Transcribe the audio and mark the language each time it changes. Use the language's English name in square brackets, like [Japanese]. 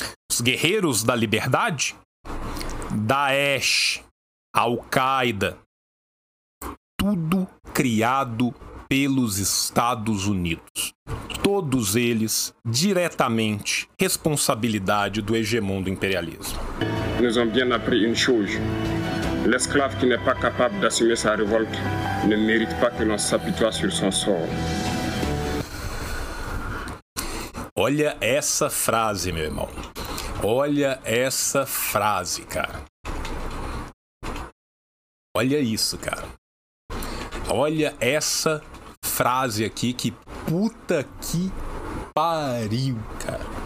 [Portuguese] Os Guerreiros da Liberdade? Daesh, Al-Qaeda. Tudo criado pelos Estados Unidos. Todos eles diretamente responsabilidade do hegemon do imperialismo. [French] Nous avons bien appris une chose. L'esclave qui n'est pas capable d'assumer sa révolte ne mérite pas que l'on s'apitoie sur son sort. [Portuguese] Olha essa frase, meu irmão. Olha essa frase, cara. Olha isso, cara. Olha essa frase aqui, que puta que pariu, cara.